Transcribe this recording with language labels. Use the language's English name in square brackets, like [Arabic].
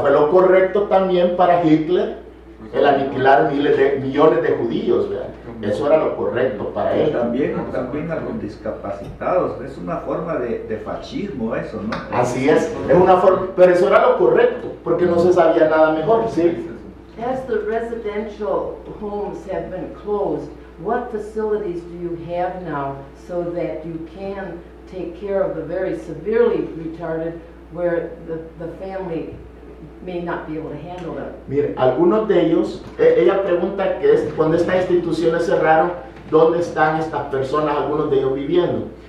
[Spanish] Fue lo correcto también para Hitler el aniquilar millones de judíos, ¿verdad? Eso era lo correcto para él. También a los discapacitados, es una forma de fascismo eso, ¿no? Así es una forma, pero eso era lo correcto, porque no se sabía nada mejor, ¿sí? [English] As the residential homes have been closed, what facilities do you have now so that you can take care of the very severely retarded where the family may not be able to handle them? [Spanish] Mire, algunos de ellos, ella pregunta que es, cuando estas instituciones cerraron, ¿dónde están estas personas, algunos de ellos viviendo?